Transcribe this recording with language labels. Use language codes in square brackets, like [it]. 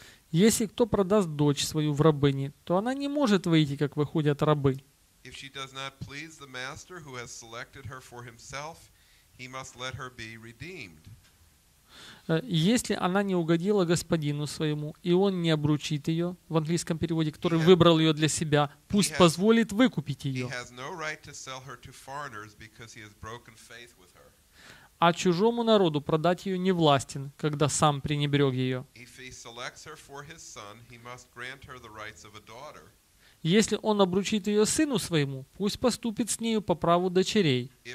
[ru] Если кто продаст дочь свою в рабыни, то она не может выйти, как выходят рабы. [en] If she does not please the master who has selected her for himself, he must let her be redeemed. [ru] Если она не угодила господину своему, и он не обручит ее, в английском переводе, который выбрал ее для себя, пусть позволит выкупить ее. [en] He has no right to sell her to foreigners because he has broken faith with her. [ru] А чужому народу продать ее не властен, когда сам пренебрег ее. [en] If he selects her for his son, he must grant her the rights of a daughter. [ru] Если он обручит ее сыну своему, пусть поступит с нею по праву дочерей.